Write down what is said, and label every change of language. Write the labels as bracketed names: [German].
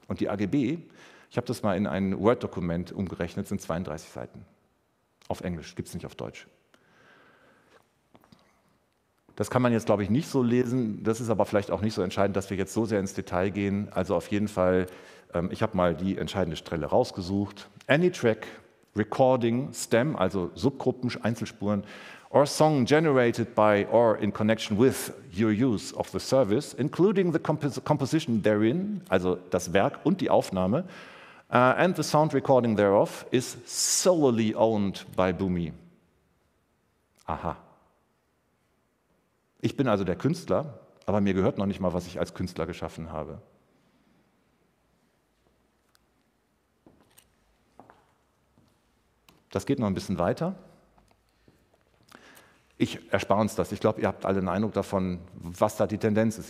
[German] Und die AGB, ich habe das mal in ein Word-Dokument umgerechnet, sind 32 Seiten. Auf Englisch, gibt es nicht auf Deutsch. Das kann man jetzt, glaube ich, nicht so lesen. Das ist aber vielleicht auch nicht so entscheidend, dass wir jetzt so sehr ins Detail gehen. Also auf jeden Fall, ich habe mal die entscheidende Stelle rausgesucht. [English] Any track, recording, stem, [German] also Subgruppen, Einzelspuren, [English] or song generated by or in connection with your use of the service, including the composition therein, [German] also das Werk und die Aufnahme, [English] and the sound recording thereof, is solely owned by Boomi. [German] Aha. Ich bin also der Künstler, aber mir gehört noch nicht mal, was ich als Künstler geschaffen habe. Das geht noch ein bisschen weiter. Ich erspare uns das. Ich glaube, ihr habt alle einen Eindruck davon, was da die Tendenz ist.